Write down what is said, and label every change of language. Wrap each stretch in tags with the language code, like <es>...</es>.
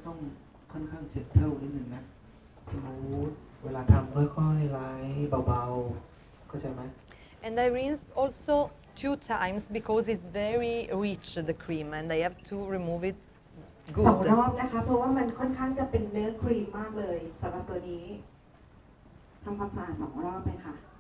<th>ต้องค่อนข้างเจ็บเท่านิดนึงนะสมูทเวลาทำค่อยๆไล่เบาๆเข้าใจไหม</th> <en>And I rinse also two times because it's very rich the cream and I have to remove it good</en> <th>สองรอบนะคะเพราะว่ามันค่อนข้างจะเป็นเนื้อครีมมากเลยสำหรับตัวนี้ทำความสะอาดสองรอบไหมคะ</th>